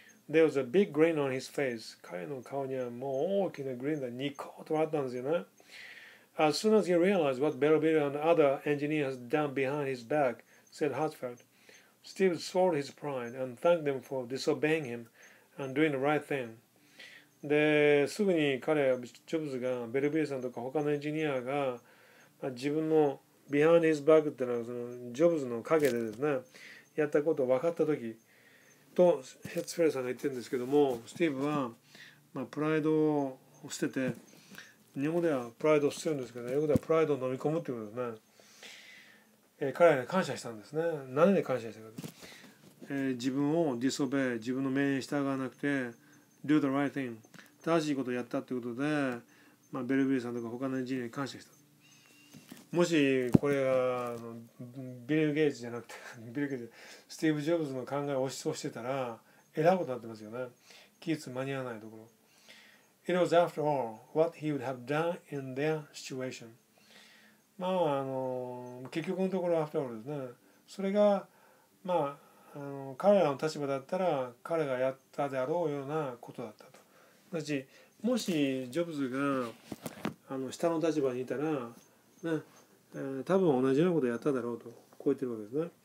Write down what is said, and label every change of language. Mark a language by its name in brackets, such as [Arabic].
[English] There was a big grin on his face. [Japanese] 彼の顔にはもう大きなグリーンでニコッと笑ったんですよね。 [English] As soon as he realized what Belleville and other engineers had done behind his back, said Hartford, Steve swallowed his pride and thanked them for disobeying him and doing the right thing. [Japanese] で、すぐに彼、ジョブズが、ベルビルさんとか他のエンジニアが、まあ、自分の [English] behind his back [Japanese] っていうのはそのジョブズの陰でですね、やったことを分かったとき、とヘッツフェルさんが言ってるんですけども、スティーブは、まあ、プライドを捨てて、日本ではプライドを捨てるんですけど、英語ではプライドを飲み込むということですね。彼らに感謝したんですね。何で感謝したか、自分をディスオベイ、自分の命令に従わなくて [English] Do the right thing、 [Japanese] 正しいことをやったということで、まあ、ベルビルさんとか他のエンジニアに感謝した。もしこれがビル・ゲイツじゃなくてビル・ゲイツ、スティーブ・ジョブズの考えを押し通してたら、えらいことになってますよね。技術間に合わないところ。 [English] It was after all what he would have done in their situation. [Japanese] まあ、結局のところ、 [English] after all [Japanese] ですね。それが、まあ、彼らの立場だったら、彼がやったであろうようなことだったと。だし、もしジョブズが下の立場にいたら、ね、多分同じようなことをやっただろうとこう言ってるわけですね。